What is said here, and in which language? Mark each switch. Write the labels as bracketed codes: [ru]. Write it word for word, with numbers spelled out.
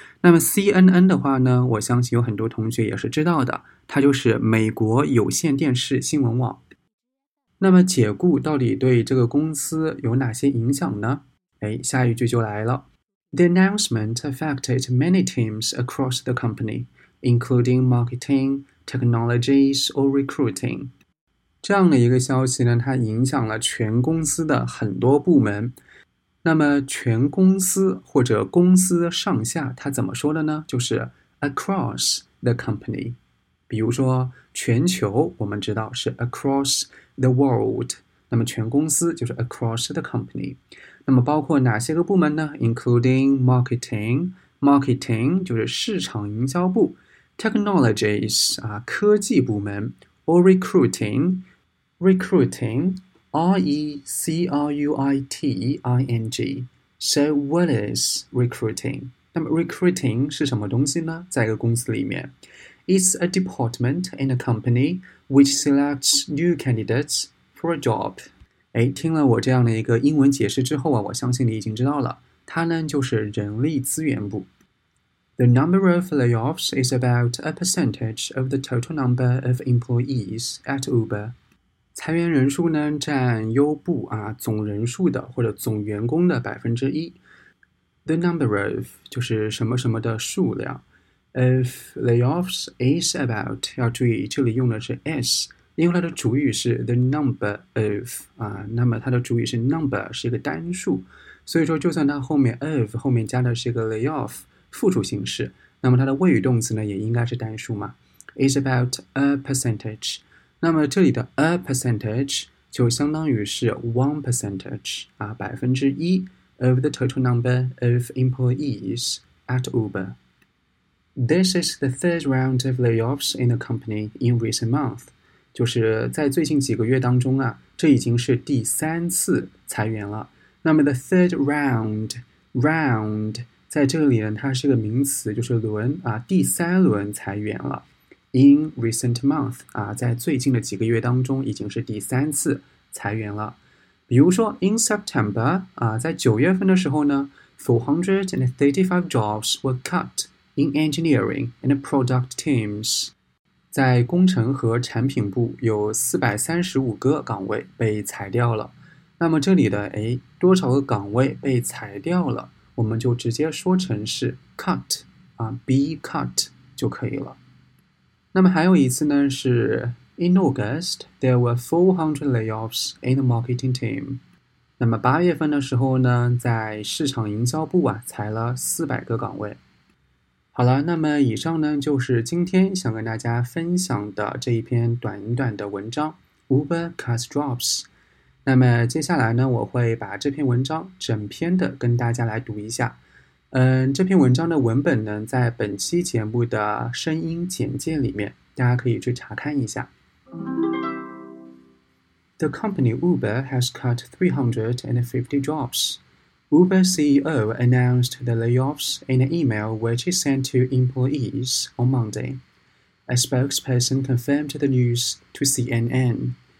[zh] 那么 C N N 的话呢，我相信有很多同学也是知道的，它就是美国有线电视新闻网。那么解雇到底对这个公司有哪些影响呢？哎，下一句就来了。 [en] The announcement affected many teams across the company, including marketing,Technologies or recruiting. [zh] 这样的一个消息呢，它影响了全公司的很多部门。那么全公司或者公司上下，它怎么说的呢？就是 [en] across the company。 [zh] 比如说全球我们知道是 [en] across the world， [zh] 那么全公司就是 [en] across the company。 [zh] 那么包括哪些个部门呢？ [en] Including marketing Marketing [zh] 就是市场营销部， [en] Technologies [zh] 啊科技部门 [en] ，or recruiting recruiting R E C R U I T I N G。 So what is recruiting？ [zh] 那么 recruiting 是什么东西呢？在一个公司里面 [en] ，It's a department in a company which selects new candidates for a job。 [zh] 哎，听了我这样的一个英文解释之后啊，我相信你已经知道了，它呢就是人力资源部。 [en] The number of layoffs is about a percentage of the total number of employees at Uber. [zh] 裁员人数呢占优步啊总人数的或者总员工的 百分之一。 [en] The number of [zh] 就是什么什么的数量。 [en] Of layoffs is about [zh] 要注意这里用的是 s， 因为它的主语是 [en] the number of [zh] 啊，那么它的主语是 number 是一个单数，所以说就算它后面 of 后面加的是一个 layoff复数形式，那么它的谓语动词呢也应该是单数嘛。 [en] It's about a percentage， [zh] 那么这里的 a percentage 就相当于是 one percentage 啊， 百分之一 [en] of the total number of employees at Uber. This is the third round of layoffs in the company in recent months. [zh] 就是在最近几个月当中啊，这已经是第三次裁员了。那么 [en] the third round, round [zh] 在这里呢，它是个名词，就是轮啊，第三轮裁员了。 [en] In recent month [zh] 啊，在最近的几个月当中，已经是第三次裁员了。比如说 [en] in September [zh] 啊，在九月份的时候呢 [en] ，four hundred thirty-five jobs were cut in engineering and product teams。 [zh] 在工程和产品部有四百三十五个岗位被裁掉了。那么这里的诶多少个岗位被裁掉了，我们就直接说成是 cut 啊 be cut 就可以了。那么还有一次呢是 [en] in August there were four hundred layoffs in the marketing team。 [zh] 那么八月份的时候呢，在市场营销部啊裁了四百个岗位。好了，那么以上呢就是今天想跟大家分享的这一篇短短的文章 [en] Uber Cuts Jobs。 [zh] 那么接下来呢，我会把这篇文章整篇的跟大家来读一下。嗯，这篇文章的文本呢在本期节目的声音简介里面，大家可以去查看一下。 [en] The company Uber has cut three hundred fifty jobs. Uber C E O announced the layoffs in an email which he sent to employees on Monday. A spokesperson confirmed the news to C N N.